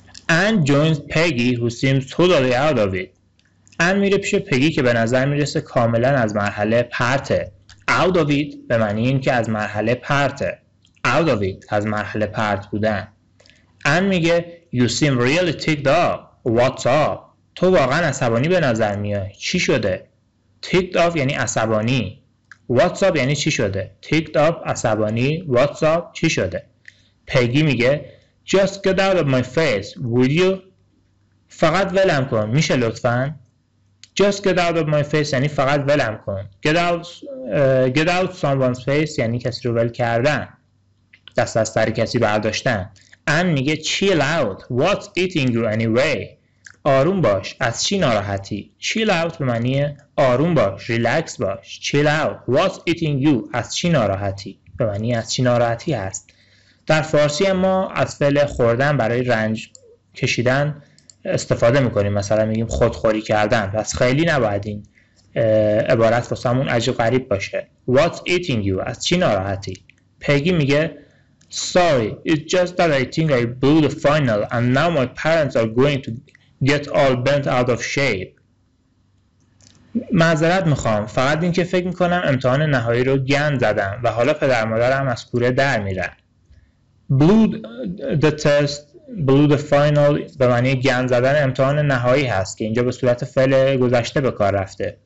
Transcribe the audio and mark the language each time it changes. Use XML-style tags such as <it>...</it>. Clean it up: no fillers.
<en>Ann joins Peggy who seems totally out of it.</en> <fa>Ann میره پیش پگی که به نظر میرسه کاملا از مرحله پرته.</fa> <en>Out of it</en> <fa>به معنی این که از مرحله پرته. Out of it از مرحله پرت بودن.</fa> <en>Ann</en> <fa>میگه</fa> <en>You seem really ticked off. What's up?</en> <fa>تو واقعا عصبانی به نظر میای. چی شده؟</fa> <en>Ticked off</en> <fa>یعنی عصبانی.</fa> <en>What's up</en> <fa>یعنی چی شده؟ Ticked off عصبانی.</fa> <en>What's up</en> <fa>چی شده؟ پگی میگه</fa> <en>Just get out of my face, would you?</en> <fa>فقط ولم کن. میشه لطفاً؟</fa> <en>Just get out of my face</en> <fa>یعنی فقط ولم کن.</fa> <en>Get out someone's face</en> <fa>یعنی کسی رو ول کردن. دست از سر کسی برداشتن. ام میگه</fa> <en>Chill out, what's eating you anyway?</en> <fa>آروم باش. از چی ناراحتی؟</fa> <en>Chill out</en> <fa>به معنی آروم باش.</fa> <en>Relax</en> <fa>باش.</fa> <en>Chill out, what's eating you?</en> <fa>از چی ناراحتی؟ به معنی از چی ناراحتی هست؟ در فارسی ما از فعل خوردن برای رنج کشیدن استفاده میکنیم، مثلا میگیم خودخوری کردن، پس خیلی نباید این عبارت واسمون عجیب غریب باشه.</fa> <en>What's eating you؟</en> <fa>از چی ناراحتی؟ پگی میگه</fa> <en>Sorry, it's just that I think I blew the final and now my parents are going to get all bent out of shape.</en> <fa>معذرت میخوام، فقط این که فکر میکنم امتحان نهایی رو گند زدم و حالا پدر مادرم از کوره در میرن.</fa> <en>Blood the test, blood the final</en> <fa>به معنی گند زدن امتحان نهایی هست که اینجا به صورت فعل گذشته به کار رفته.</fa>